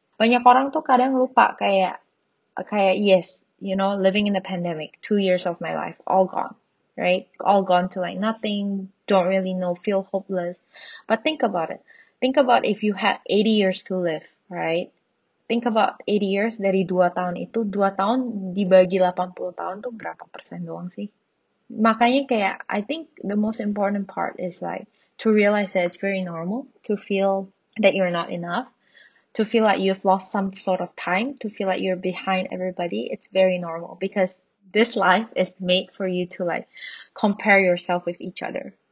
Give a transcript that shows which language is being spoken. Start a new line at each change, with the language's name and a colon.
Indonesian: Banyak orang tuh kadang lupa kayak,
English: yes, you know, living in the pandemic, 2 years of my life, all gone, right? All gone to like nothing, don't really know, feel hopeless. But think about it. Think about if you had 80 years to live, right? Think about 80 years
Indonesian: dari 2 tahun itu, 2 tahun dibagi 80 tahun tuh berapa persen doang sih? Makanya kayak,
English: I think the most important part is like, to realize that it's very normal, to feel that you're not enough, to feel like you've lost some sort of time, to feel like you're behind everybody, it's very normal. Because this life is made for you to like, compare yourself with each other.